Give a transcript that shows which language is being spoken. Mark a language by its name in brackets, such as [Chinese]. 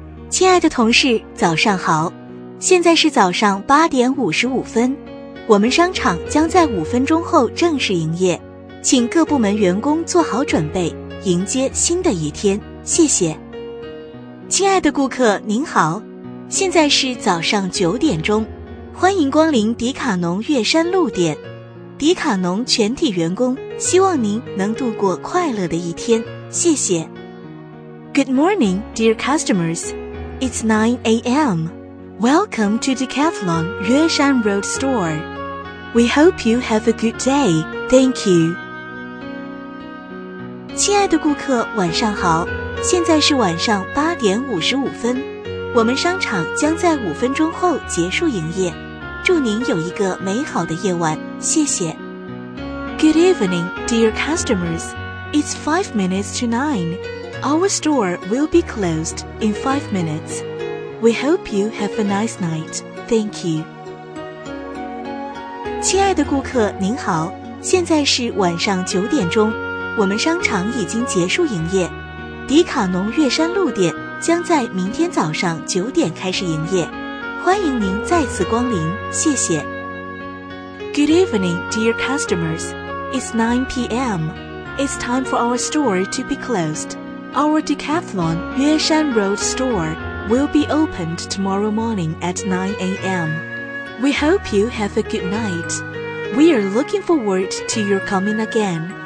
[Chinese] 亲爱的同事，早上好，现在是早上8:55，我们商场将在5分钟后正式营业，请各部门员工做好准备，迎接新的一天，谢谢。亲爱的顾客您好，现在是早上9点钟，欢迎光临迪卡侬月山路店，迪卡侬全体员工希望您能度过快乐的一天，谢谢。 [English] Good morning, dear customers. It's 9 a.m. Welcome to Decathlon Yue Shan Road Store. We hope you have a good day. Thank you. [Chinese] 亲爱的顾客，晚上好，现在是晚上8:55，我们商场将在5分钟后结束营业，祝您有一个美好的夜晚，谢谢。 [English] Good evening, dear customers. It's 8:55. Our store will be closed in 5 minutes. We hope you have a nice night. Thank you. [Chinese] 亲爱的顾客您好，现在是晚上9点钟，我们商场已经结束营业，迪卡侬月山路店将在明天早上9点开始营业，欢迎您再次光临，谢谢。 [English] Good evening, dear customers. It's 9 p.m. It's time for our store to be closed. Our Decathlon Yue Shan Road store will be opened tomorrow morning at 9 a.m. We hope you have a good night. We are looking forward to your coming again.